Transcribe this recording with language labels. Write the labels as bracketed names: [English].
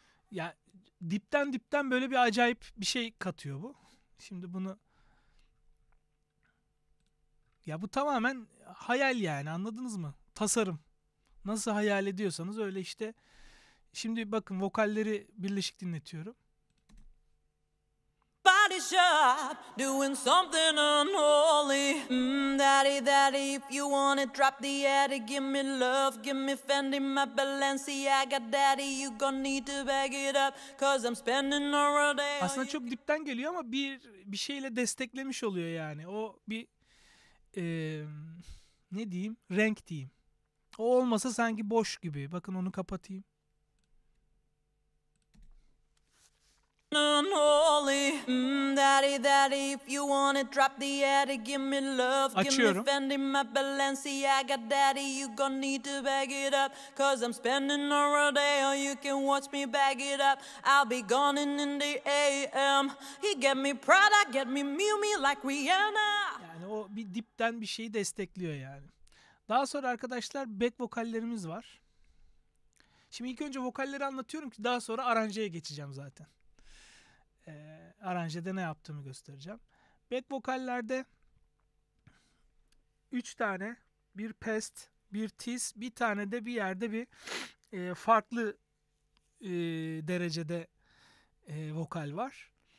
[Turkish] Ya dipten dipten böyle bir acayip bir şey katıyor bu. Şimdi bunu ya bu tamamen hayal yani anladınız mı? Tasarım. Nasıl hayal ediyorsanız öyle işte. Şimdi bakın vokalleri birleşik dinletiyorum. [English] Body shop doing something unholy. Mm, daddy daddy if you wanna drop the attic, give me love, give me Fendi, my Balenciaga daddy, you gonna need to bag it up cause I'm spending all day. [Turkish] Aslında çok dipten geliyor ama bir şeyle desteklemiş oluyor yani. O bir ne diyeyim? Renk diyeyim. O olmasa sanki boş gibi. Bakın onu kapatayım. [English] Unholy, mm, daddy, daddy, if you wanna drop the attic, give me love, [Turkish] açıyorum. [English] Give me Fendi, my Balenciaga, daddy, you gonna need to bag it up, cause I'm spending all day, or you can watch me bag it up, I'll be gone in the AM, he get me Prada, get me Miu Miu like Rihanna. [Turkish] Yani o bir dipten bir şeyi destekliyor yani. Daha sonra arkadaşlar back vokallerimiz var. Şimdi ilk önce vokalleri anlatıyorum ki daha sonra aranjeye geçeceğim zaten. Aranjede ne yaptığımı göstereceğim. Back vokallerde 3 tane bir past, bir tiz, bir tane de bir yerde bir farklı derecede vokal var.